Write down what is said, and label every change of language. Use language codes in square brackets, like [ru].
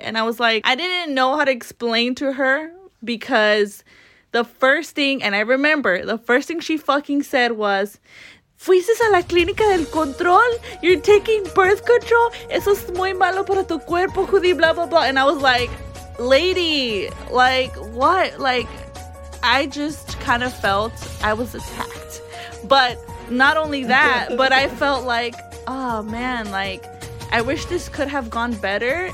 [en] And I was like, I didn't know how to explain to her because the first thing, and I remember, the first thing she fucking said was, [es] Fuiste a la clínica del control. [en] You're taking birth control. [es] Eso es muy malo para tu cuerpo, Judy, blah, blah, blah. [en] And I was like, lady, like, what? Like, I just kind of felt I was attacked. But not only that, but I felt like, oh, man, like, I wish this could have gone better.